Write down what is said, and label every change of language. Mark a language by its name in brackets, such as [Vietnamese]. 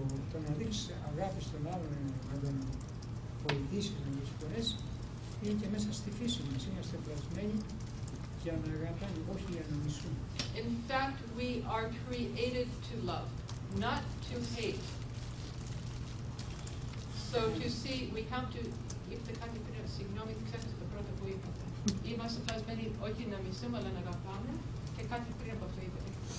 [Greek] Το να δείξεις αγάπη στον άλλον, να τον βοηθήσεις να τις φορές, είναι και μέσα στη φύση μας. Είμαστε πλασμένοι για να αγαπάμε, όχι για να μισούμε. [English] In fact, we are created to love, not to hate. So to see, we have to... [Greek] Είπτε κάτι πριν, συγγνώμη, δεν ξέχασα το πρώτο που είπατε. Είμαστε πλασμένοι όχι να μισούμε, αλλά να αγαπάμε. Και κάτι πριν από αυτό είπατε.